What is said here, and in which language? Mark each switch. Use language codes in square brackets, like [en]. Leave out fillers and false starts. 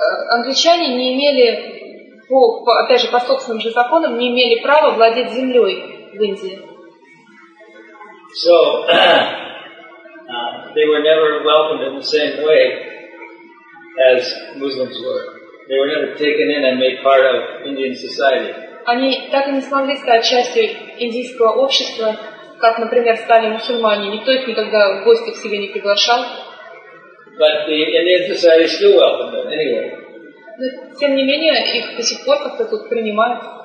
[ru] Англичане не имели, опять же, по собственным же законам, не имели права владеть землей в Индии. [en] So they were never welcomed in the same way as Muslims were. They were never taken in and made part of Indian society. [ru] Они так и не смогли стать частью индийского общества, как, например, стали мусульмане. Никто их никогда в гости к себе не приглашал. [en] But the Indian society still welcomed them anyway. [ru] Но тем не менее их до сих пор как-то тут принимают.